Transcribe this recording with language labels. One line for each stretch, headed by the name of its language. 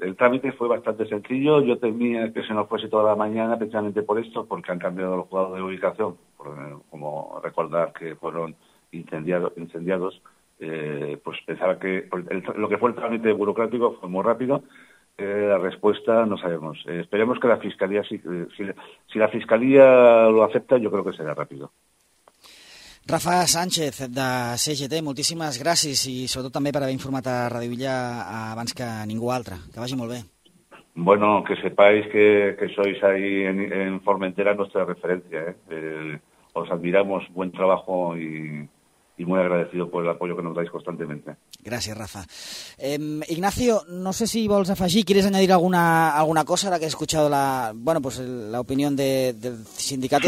Spanish: El trámite fue bastante sencillo. Yo temía que se nos fuese toda la mañana precisamente por esto, porque han cambiado los jugadores de ubicación, como recordar que fueron incendiados. Pues pensaba que lo que fue el trámite burocrático fue muy rápido. La respuesta no sabemos. Esperemos que la Fiscalía, si la Fiscalía lo acepta, yo creo que será rápido.
Catalan: Rafa Sánchez, de CGT, moltíssimes gràcies i sobretot també per haver informat a Radio Villa abans que ningú altre. Que vagi molt bé.
Spanish: Bueno, que sepáis que sois ahí en Formentera nuestra referencia. Os admiramos, buen trabajo y muy agradecido por el apoyo que nos dais constantemente.
Catalan: Gràcies, Rafa.
Spanish: Ignacio, no sé
Catalan: si vols afegir,
Spanish: quieres añadir alguna cosa ahora que he escuchado la opinión del sindicato.